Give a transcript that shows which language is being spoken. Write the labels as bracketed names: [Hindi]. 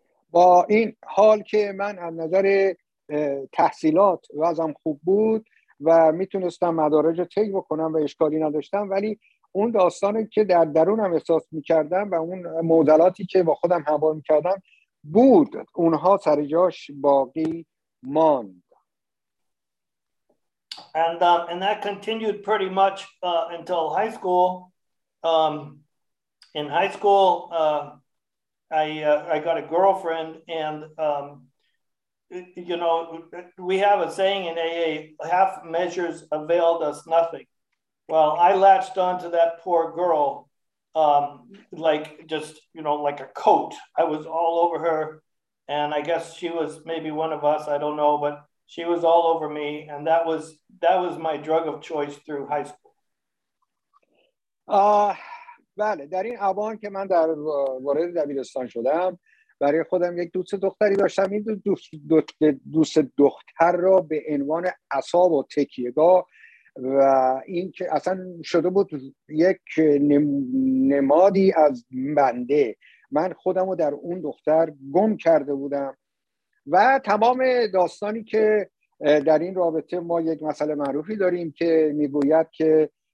[Persian] با این حال که من از نظر تحصیلات وضعم خوب بود و میتونستم مدارج رو طی بکنم و اشکالی نداشتم، ولی اون داستانی که در درونم احساس میکردم و اون معضلاتی که با خودم همراه میکردم بود، اونها سر جاش باقی ماند. [English] And that continued pretty much until high school. In high school I got a girlfriend and we have a saying in AA, half measures availed us nothing. Well, I latched on to that poor girl like a coat. I was all over her, and I guess she was maybe one of us, I don't know, but she was all over me, and that was my drug of choice through high school. [Persian] بله، در این اوان که من در وارد دبیرستان شدم، برای خودم یک دوست دختری داشتم. این دوست دختر را به عنوان اعصاب و تکیه‌گاه و این که اصلا شده بود یک نمادی از بنده، من خودم رو در اون دختر گم کرده بودم و تمام داستانی که در این رابطه ما یک مسئله معروفی داریم که میگوید که